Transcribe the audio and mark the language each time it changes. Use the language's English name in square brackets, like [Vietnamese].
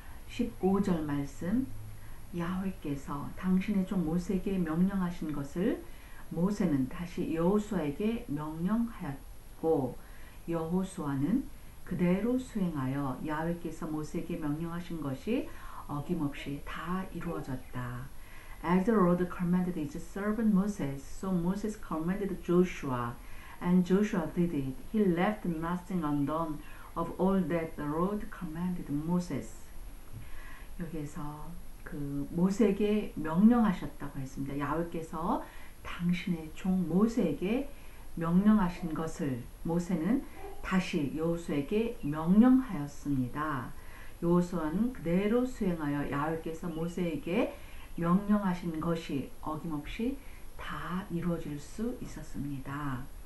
[Korean] 15절 말씀. 야훼께서 당신의 종 모세에게 명령하신 것을 모세는 다시 여호수아에게 명령하였고 여호수아는 그대로 수행하여 야훼께서 모세에게 명령하신 것이 어김없이 다 이루어졌다. [English] As the Lord commanded his servant Moses, so Moses commanded Joshua, and Joshua did it. He left nothing undone of all that the Lord commanded Moses. [Korean] 여기에서 그 모세에게 명령하셨다고 했습니다. 야훼께서 당신의 종 모세에게 명령하신 것을 모세는 다시 여호수아에게 명령하였습니다. 여호수아는 그대로 수행하여 야훼께서 모세에게 명령하신 것이 어김없이 다 이루어질 수 있었습니다.